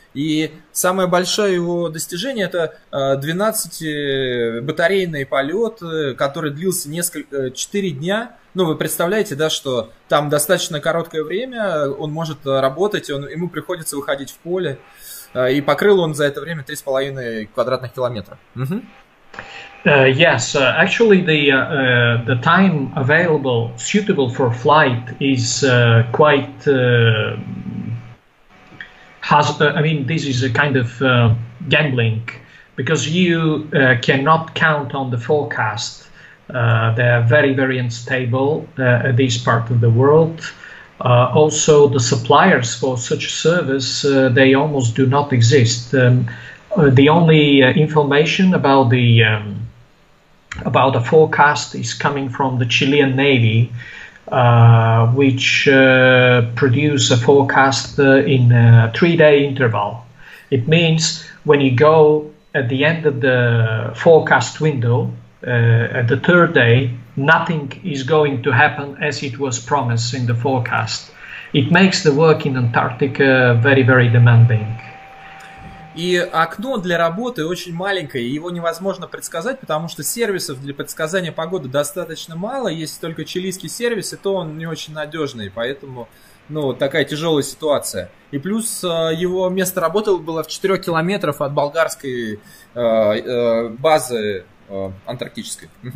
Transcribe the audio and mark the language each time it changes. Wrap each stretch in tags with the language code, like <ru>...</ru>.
<ru>И самое большое его достижение — это 12-батарейный полет, который длился 4 дня. Ну, вы представляете, да, что там достаточно короткое время, он может работать, ему приходится выходить в поле. И покрыл он за это время 3.5 квадратных километра.</ru> <en>Yes, actually the time available suitable for flight is this is a kind of gambling, because you cannot count on the forecast. They are very, very unstable at this part of the world. Also, the suppliers for such service, they almost do not exist. The only information about the forecast is coming from the Chilean Navy, which produce a forecast in a 3-day interval. It means when you go at the end of the forecast window, at the third day, nothing is going to happen as it was promised in the forecast. It makes the work in Antarctica very, very demanding.</en> <ru>И окно для работы очень маленькое, его невозможно предсказать, потому что сервисов для предсказания погоды достаточно мало. Есть только чилийский сервис, и то он не очень надежный, поэтому, ну, такая тяжелая ситуация. И плюс его место работы было в 4 километрах от болгарской базы антарктической.</ru>